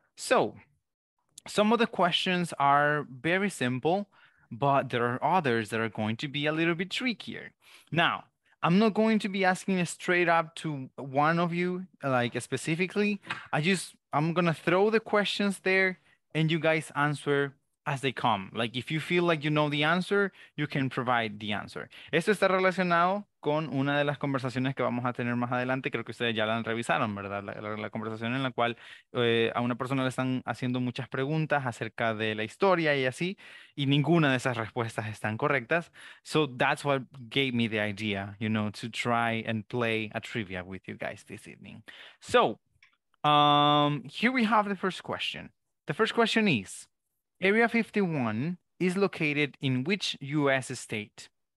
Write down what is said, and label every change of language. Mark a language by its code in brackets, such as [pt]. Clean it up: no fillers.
[en] So some of the questions are very simple, but there are others that are going to be a little bit trickier. Now, I'm not going to be asking straight up to one of you, like specifically. I'm going to throw the questions there and you guys answer as they come. Like if you feel like you know the answer, you can provide the answer. [es] Esto está relacionado con una de las conversaciones que vamos a tener más adelante. Creo que ustedes ya la revisaron, ¿verdad? La conversación en la cual a una persona le están haciendo muchas preguntas acerca de la historia y así, y ninguna de esas respuestas están correctas. [en] So that's what gave me the idea, you know, to try and play a trivia with you guys this evening. So here we have the first question. The first question is, Area 51 is located in which U.S. state?